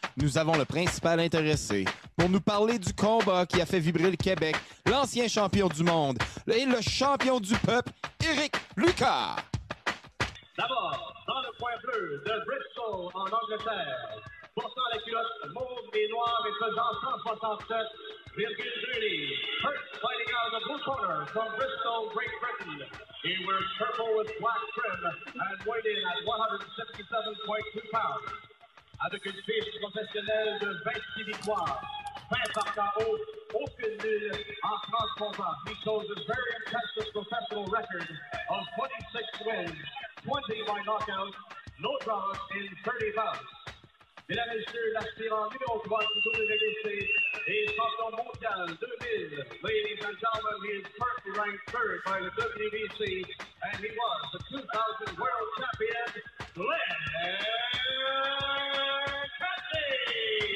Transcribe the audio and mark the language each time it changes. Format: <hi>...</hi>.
<fr>Nous avons le principal intéressé. Pour nous parler du combat qui a fait vibrer le Québec, l'ancien champion du monde et le champion du peuple, Eric Lucas. D'abord, dans le coin bleu de Bristol, en Angleterre, portant les culottes mauve et noire et pesant 167,2 livres.</fr> <en>First fighting out of the blue corner from Bristol, Great Britain. He wears purple with black trim and weighed in at 167.2 pounds.</en> <fr>Avec une fiche professionnelle de 26 victoires, 20 par KO, aucune nulle en 30 combats.</fr> <en>He shows a very impressive professional record of 26 wins, 20 by knockout, no draws in 30 bouts.</en> <fr>Mesdames et Messieurs, l'aspirant numéro 3 du WBC et champion mondial 2000.</fr> <en>Ladies and gentlemen, he is currently ranked third by the WBC and he was the 2000 world champion, Glenn Catley!</en>